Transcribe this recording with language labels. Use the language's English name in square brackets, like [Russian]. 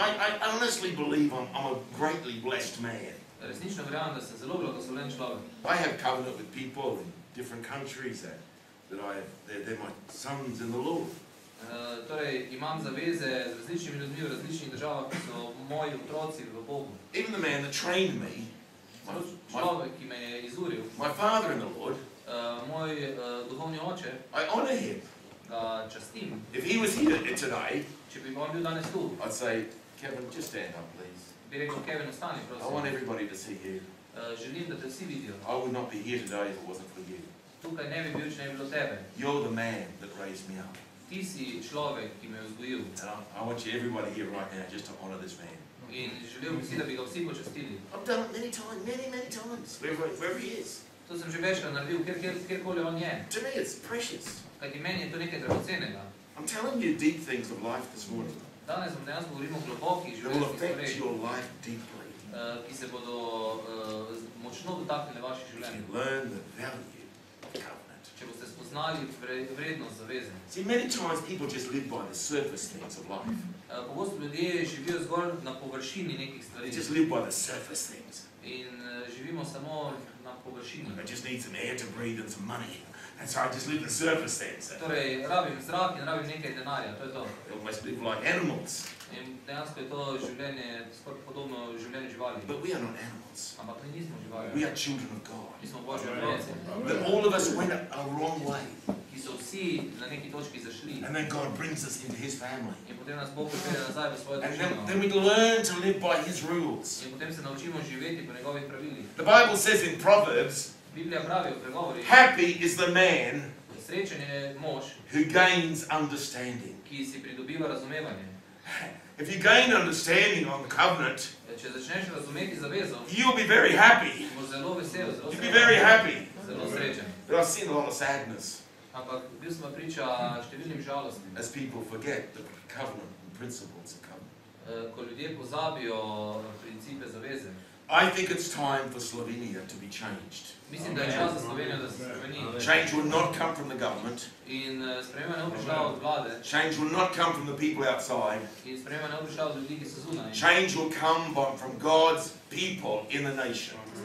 [English] I honestly believe I'm a greatly blessed man. I have covenant with people in different countries that I have, they're my sons in the Lord. [Slovenian] Torej imam zaveze z različnimi ljudmi v različnih državah, ki so moji otroci v Bogu. [English] Even the man that trained me, [Slovenian] človek, ki me je izuril, [English] my father in the Lord, [Slovenian] moj duhovni oče, [English] I honor him. [Slovenian] Ga častim. [English] If he was here today, [Slovenian] če bi on bil danes tu, [English] I'd say, Kevin, just stand up, please. [Slovenian] Bi rekel, Kevin, ostani, prosim. [English] I want everybody to see you. [Slovenian] Želim, da te vsi vidijo. [English] I would not be here today if it wasn't for you. [Slovenian] Tukaj ne bi bil, če ne bi bilo tebe. [English] You're the man that raised me up. [Slovenian] Ti si človek, ki me je vzgojil. [English] I want you everybody here right now just to honor this man. [Slovenian] In želel bi si, da bi ga vsi počastili. [English] I've done it many times. Wherever he is. [Slovenian] To sem že večkrat naredil, kjerkoli on je. [English] To me it's precious. [Slovenian] Kajti meni je to nekaj dragocenega. [English] I'm telling you deep things of life this morning. [Slovenian] Danes vam danes govorim o globokih življenjskih stvareh. [English] It will affect your life deeply. [Slovenian] Ki se bodo močno dotaknili vaše življenje. [English] You learn the value of [Slovenian] če boste spoznali vrednost zaveze. [English] See, many times people just live by the surface things of life. [Slovenian] Pogosto ljudje živijo zgolj na površini nekih stvari. [English] Just live by the surface things. [Slovenian] In živimo samo na površini. [English] I just need some air to breathe and some money. And so I just live the surface things. [Slovenian] Torej, rabim zrak in rabim nekaj denarja, to je to. [English] They almost live like animals. [Slovenian] In dejansko je to življenje skoraj podobno življenju živali. [English] But we are not animals. [Slovenian] Ampak mi nismo živali. [English] We are children of God. [Slovenian] Mi smo Božji otroci. [English] But all of us went a wrong way. [Slovenian] Ki so vsi na neki točki zašli. [English] And then God brings us into His family. [Slovenian] In potem nas Bog pripelje nazaj v svojo družino. [English] And then we learn to live by His rules. [Slovenian] In potem se naučimo živeti po njegovih pravilih. [English] The Bible says in Proverbs. [Slovenian] Biblija pravi v pregovorih. [English] Happy is the man. [Slovenian] Srečen je mož. [English] Who gains understanding. [Slovenian] Ki si pridobiva razumevanje. [English] If you gain understanding on the covenant, [Slovenian] če začneš razumeti zavezo, [English] you'll be very happy. [Slovenian] Zelo vesel, zelo [English] you'll be very happy. [Slovenian] Zelo srečen. [English] But I've seen a lot of sadness. [Slovenian] Ampak bil sem priča številnim žalostim. [English] As people forget the covenant and principles of covenant. [Slovenian] Ko ljudje pozabijo principe zaveze. [English] I think it's time for Slovenia to be changed. [Slovenian] Mislim, da je čas za Slovenijo, da se spremeni. [English] Change will not come from the government. [Slovenian] In sprememba ne bo prišla od vlade. [English] Change will not come from the people outside. [Slovenian] In sprememba ne bo prišla od ljudi, ki so zunaj. [English] Change will come from God's people in the nation.